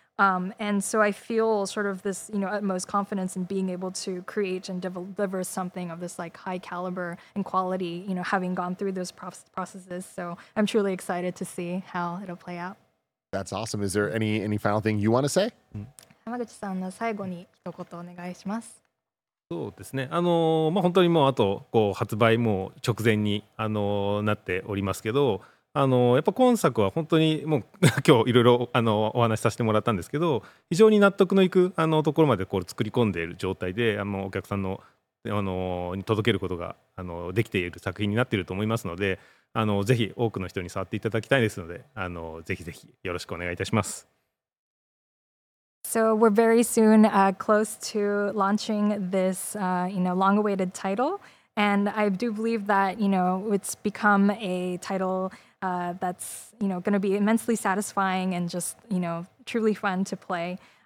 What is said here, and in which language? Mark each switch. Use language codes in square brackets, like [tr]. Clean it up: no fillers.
[en] And so I feel sort of this, you know, utmost confidence in being able to create and deliver something of this like high caliber and quality, you know, having gone through those processes. So I'm truly excited to see how it'll play out. That's awesome. Is there any final thing you want to say? [ja] 浜口さんの最後に一言お願いします。そうですね、まあ、本当にもうあとこう発売も直前に、なっておりますけど、やっぱ今作は本当にもう今日いろいろ、お話しさせてもらったんですけど、非常に納得のいく、ところまでこう作り込んでいる状態で、お客さんの、に届けることが、できている作品になっていると思いますので、ぜひ多くの人に触っていただきたいですので、ぜひぜひよろしくお願いいたします。 [en] So we're very soon close to launching this, you know, long-awaited title. And I do believe that, you know, it's become a title that's, you know, going to be immensely satisfying and just, you know, truly fun to play.